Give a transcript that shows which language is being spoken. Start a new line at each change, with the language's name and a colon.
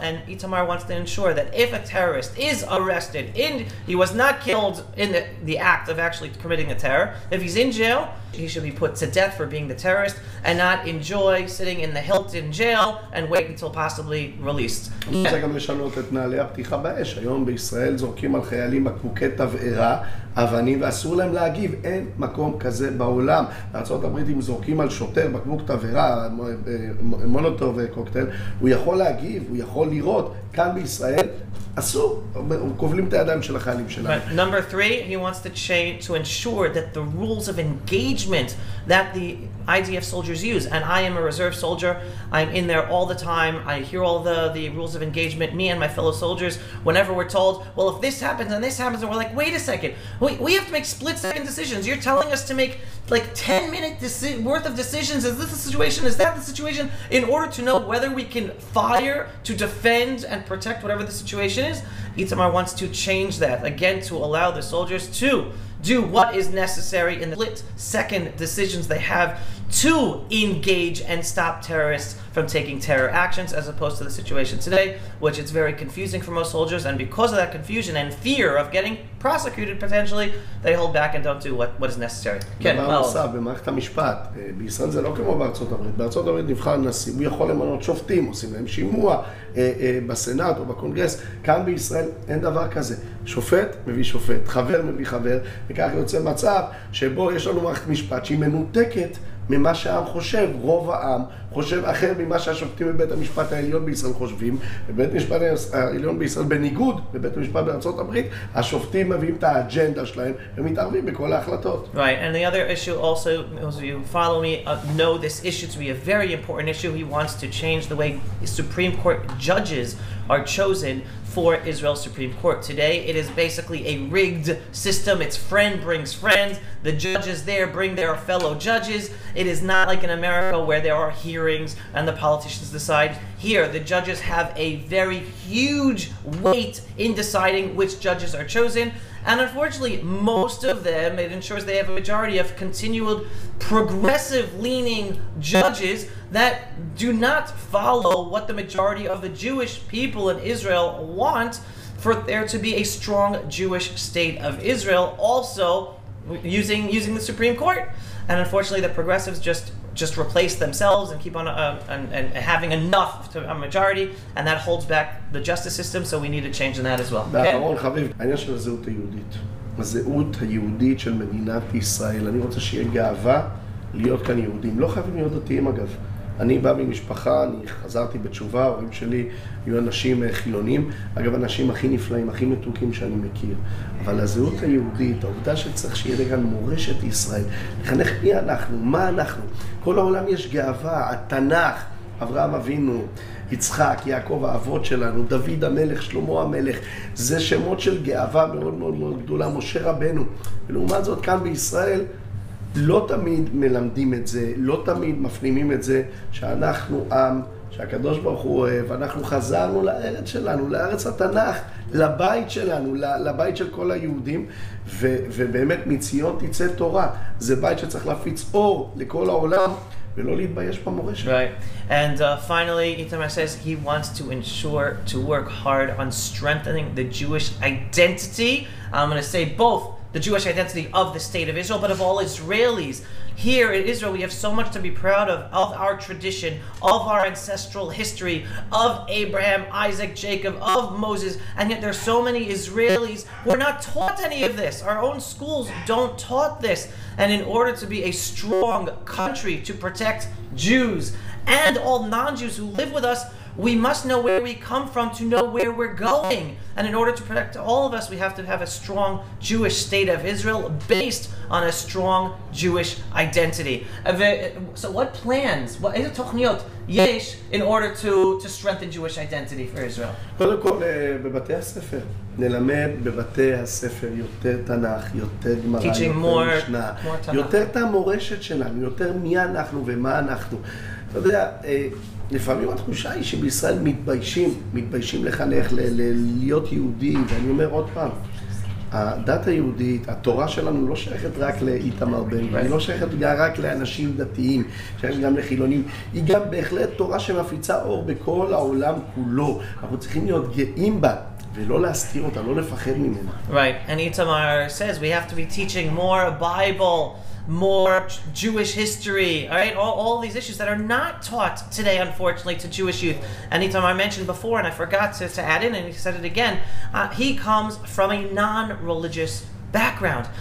English: And Itamar wants to ensure that if a terrorist is arrested, he was not killed in the act of actually committing the terror. If he's in jail, he should be put to death for being the terrorist and not enjoy sitting in the Hilton jail and wait until possibly released.
Hebrew: אני רוצה גם לשנות את נעלי הפתיחה באש. היום בישראל זורקים על חיילים בקבוקי תבערה, אבנים, ואסור להם להגיב. אין מקום כזה בעולם. בארצות הברית, אם זורקים על שוטר בקבוק תבערה, מולוטוב קוקטייל, הוא יכול להגיב, הוא יכול לראות. כאן בישראל, אסור. כובלים את הידיים של החיילים שלנו.
English: But number three, he wants to change to ensure that the rules of engagement that the IDF soldiers use, and I am a reserve soldier, I'm in there all the time, I hear all the rules of engagement, me and my fellow soldiers, whenever we're told, well, if this happens and this happens, and we're like, wait a second, we have to make split-second decisions, you're telling us to make like 10-minute worth of decisions, is this the situation, is that the situation, in order to know whether we can fire to defend and protect whatever the situation is. Itamar wants to change that, again, to allow the soldiers to do what is necessary in the split-second decisions they have to engage and stop terrorists from taking terror actions, as opposed to the situation today, which it's very confusing for most soldiers, and because of that confusion and fear of getting prosecuted potentially, they hold back and don't do what is necessary.
Hebrew: כן, מה עושה במערכת המשפט? בישראל זה לא כמו בארצות הברית. בארצות הברית נבחר נשיא, הוא יכול למנות שופטים, עושים להם שימוע בסנאט או בקונגרס. כאן בישראל אין דבר כזה. שופט מביא שופט, חבר מביא חבר, וכך יוצא מצב שבו יש לנו מערכת משפט שהיא מנותקת ממה שהעם חושב, רוב העם חושב אחר ממה שהשופטים בבית המשפט העליון בישראל חושבים. בבית המשפט העליון בישראל, בניגוד בבית המשפט בארצות הברית, השופטים מביאים את האג'נדה שלהם ומתערבים בכל ההחלטות.
English: Right, and the other issue also, those of you who follow me know this issue to be a very important issue. He wants to change the way Supreme Court judges are chosen for Israel's Supreme Court. Today, it is basically a rigged system. It's friend brings friend. The judges there bring their fellow judges. It is not like in America where there are hearings and the politicians decide. Here, the judges have a very huge weight in deciding which judges are chosen. And unfortunately, most of them, it ensures they have a majority of continual progressive-leaning judges that do not follow what the majority of the Jewish people in Israel want for there to be a strong Jewish state of Israel, also using the Supreme Court. And unfortunately, the progressives just replace themselves and keep on and having enough to a majority, and that holds back the justice system, so we need a change in that as well.
Hebrew: ואחרון חביב, העניין של הזהות היהודית, הזהות היהודית של מדינת ישראל, אני רוצה שיהיה גאווה להיות כאן יהודים, לא חייבים להיות דתיים אגב. אני בא ממשפחה, אני חזרתי בתשובה, הורים שלי היו אנשים חילונים, אגב אנשים הכי נפלאים, הכי מתוקים שאני מכיר, אבל הזהות היהודית, העובדה שצריך שיהיה כאן מורשת ישראל, לחנך מי אנחנו, מה אנחנו, כל העולם יש גאווה, התנ"ך, אברהם אבינו, יצחק, יעקב האבות שלנו, דוד המלך, שלמה המלך, זה שמות של גאווה מאוד מאוד מאוד גדולה, משה רבנו, ולעומת זאת כאן בישראל, לא תמיד מלמדים את זה, לא תמיד מפנימים את זה, שאנחנו עם, שהקדוש ברוך הוא אוהב, אנחנו חזרנו לארץ שלנו, לארץ התנ"ך, לבית שלנו, לבית של כל היהודים, ובאמת מציון תצא תורה, זה בית שצריך להפיץ אור לכל העולם, ולא להתבייש במורשת.
English: Right. And finally, Itamar says he wants to ensure to work hard on strengthening the Jewish identity. I'm going to say both. The Jewish identity of the state of Israel, but of all Israelis. Here in Israel, we have so much to be proud of our tradition, of our ancestral history, of Abraham, Isaac, Jacob, of Moses, and yet there are so many Israelis who are not taught any of this. Our own schools don't taught this. And in order to be a strong country to protect Jews and all non-Jews who live with us, we must know where we come from to know where we're going. And in order to protect all of us, we have to have a strong Jewish state of Israel based on a strong Jewish identity. So what plans, what is
Hebrew: tochniot yesh
English: in order to strengthen Jewish identity for Israel?
Hebrew: קודם כל, בבתי הספר. נלמד בבתי הספר יותר תנ"ך, יותר גמרא, יותר משנה. יותר את המורשת שלנו, יותר מי אנחנו ומה אנחנו. אתה יודע, לפעמים התחושה היא שבישראל מתביישים לחנך, להיות יהודי, ואני אומר עוד פעם, הדת היהודית, התורה שלנו לא שייכת רק לאיתמר בן-גביר, היא לא שייכת רק לאנשים דתיים, שייכת גם לחילונים, היא גם בהחלט תורה שמפיצה אור בכל העולם כולו, אנחנו צריכים להיות גאים בה. ולא להסתיר אותה, לא לפחד ממנה.
English: Right, and Itamar says we have to be teaching more Bible, more Jewish history, right? All these issues that are not taught today, unfortunately, to Jewish youth. And Itamar mentioned before, and I forgot to add in, and he said it again, he comes from a non-religious background.